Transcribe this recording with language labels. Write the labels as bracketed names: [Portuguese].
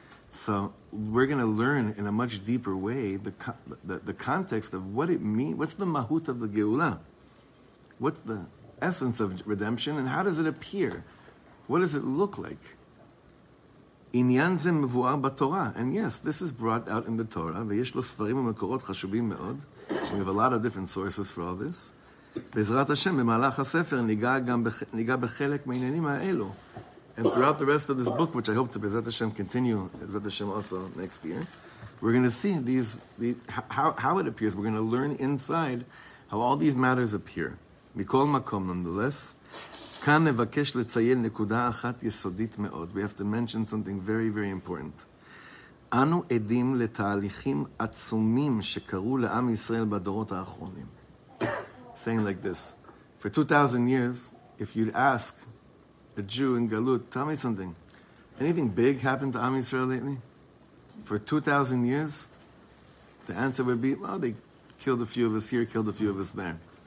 [English] So we're going to learn in a much deeper way the context of what it means, what's the mahut of the geula, what's the essence of redemption, and how does it appear? What does it look like? [Hebrew] Inyan zeh mevu'ar b'Torah. [English] And yes, this is brought out in the Torah. [Hebrew] Ve'yesh lo svarim u'mekorot chashuvim me'od. [English] We have a lot of different sources for all this. [Hebrew] בעזרת השם, במהלך הספר, ניגע בחלק מעניינים האלו. [English] And throughout the rest of this book, which I hope to, בעזרת השם, continue, בעזרת השם also next year, we're going to see how it appears. We're going to learn inside how all these matters appear. [Hebrew] מכל מקום, [English] nonetheless, [Hebrew] כאן נבקש לציין נקודה אחת יסודית מאוד. [English] We have to mention something very, very important. [Hebrew] אנו עדים לתהליכים עצומים שקרו לעם ישראל בדורות האחרונים. [English] Saying like this, for 2,000 years, if you'd ask a Jew in Galut, tell me something, anything big happened to Am Yisrael lately? For 2,000 years, the answer would be, well, they killed a few of us here, killed a few of us there.